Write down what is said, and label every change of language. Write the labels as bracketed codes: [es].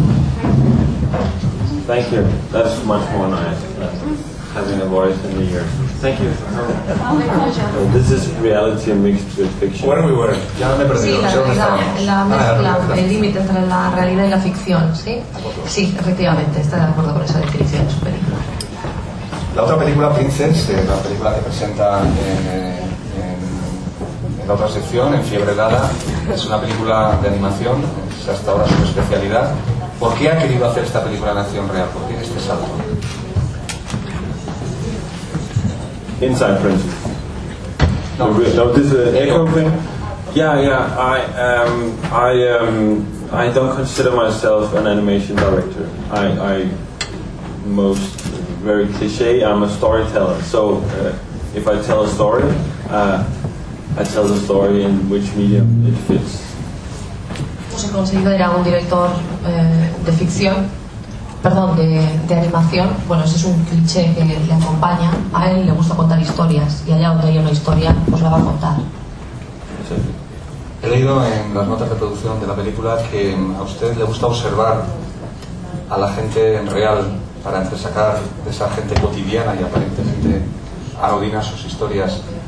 [en] No, yeah, you're very lovely. Thank you. That's much more nice than having a voice in the ear. Thank you. So this is reality mixed with fiction. When we were, [es] ya me perdí. Sí, la mezcla, el límite entre la realidad y la ficción, sí. Sí, efectivamente, está de acuerdo con esa definición de su película. La otra película, Princess, la película que presenta en en la otra sección, en Fiebre Dada, es una película de animación, es hasta ahora su especialidad. ¿Por qué ha querido hacer esta película en acción real? ¿Por qué este salto? [en] Inside Princess. No, this is an echo thing. I don't consider myself an animation director. I most very cliche. I'm a storyteller. So if I tell a story, I tell the story in which medium it fits. [es] No se considera era un director de ficción, perdón, de animación. Bueno, ese es un cliché que le acompaña. A él le gusta contar historias y allá donde hay una historia, pues la va a contar. He leído en las notas de producción de la película que a usted le gusta observar a la gente en real para entresacar de esa gente cotidiana y aparentemente anodina sus historias.